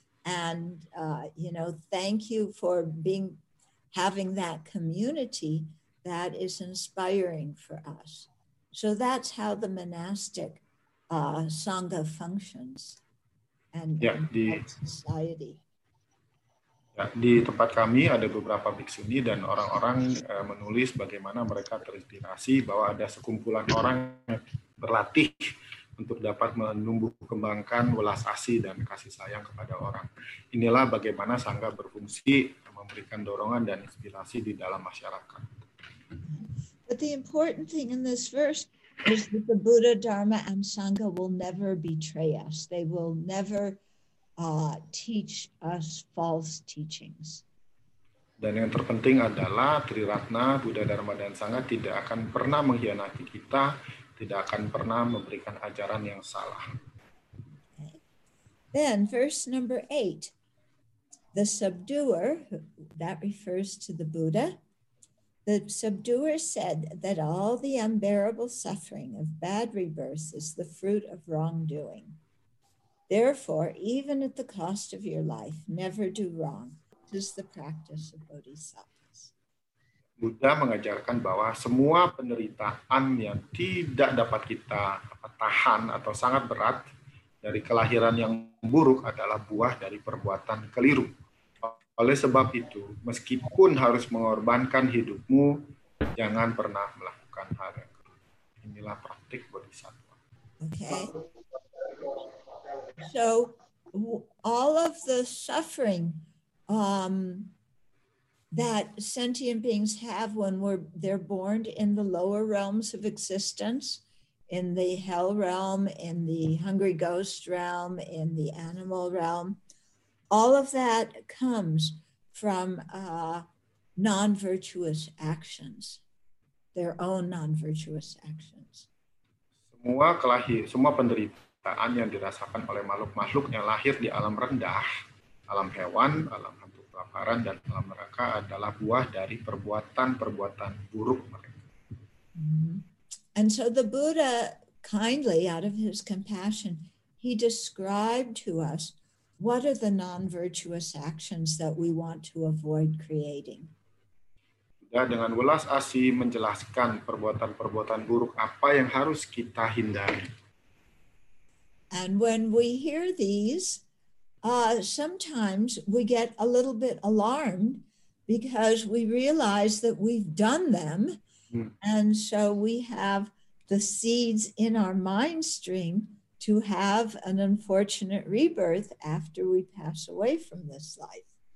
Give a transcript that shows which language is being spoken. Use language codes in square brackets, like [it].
[en] And, you know, thank you for being, having that community that is inspiring for us. So that's how the monastic sangha functions and, ya, and society. [id] Ya, di tempat kami ada beberapa biksuni dan orang-orang menulis bagaimana mereka terinspirasi bahwa ada sekumpulan orang berlatih untuk dapat menumbuh kembangkan welas asih dan kasih sayang kepada orang. Inilah bagaimana sangha berfungsi memberikan dorongan dan inspirasi di dalam masyarakat. [en] But the important thing in this verse is that the Buddha, Dharma, and Sangha will never betray us. They will never teach us false teachings. [id] Dan yang terpenting adalah Tri Ratna, Buddha, Dharma, dan Sangha tidak akan pernah mengkhianati kita, tidak akan pernah memberikan ajaran yang salah. [en] Okay. Then verse number 8. The subduer, that refers to the Buddha, the subduer said that all the unbearable suffering of bad rebirths is the fruit of wrongdoing. Therefore, even at the cost of your life, never do wrong. This is the practice of bodhisattvas. [id] Buddha mengajarkan bahwa semua penderitaan yang tidak dapat kita tahan atau sangat berat dari kelahiran yang buruk adalah buah dari perbuatan keliru. Oleh sebab itu, meskipun harus mengorbankan hidupmu, jangan pernah melakukan hal yang keliru. Inilah praktik bodhisattva. [en] Okay. So, all of the suffering that sentient beings have when they're born in the lower realms of existence, in the hell realm, in the hungry ghost realm, in the animal realm, all of that comes from non-virtuous actions, their own non-virtuous actions. [id] Semua penderitaan yang dirasakan oleh makhluk-makhluk yang lahir di alam rendah, alam hewan, alam hantu kelaparan, dan alam neraka adalah buah dari perbuatan-perbuatan buruk mereka. Mm-hmm. [en] And so the Buddha, kindly, out of his compassion, he described to us what are the non-virtuous actions that we want to avoid creating? [id] Buddha dengan welas asih menjelaskan perbuatan-perbuatan buruk apa yang harus kita hindari. [en] And when we hear these, sometimes we get a little bit alarmed because we realize that we've done them. And so we have the seeds in our mind stream to have an unfortunate rebirth after we pass away from this life.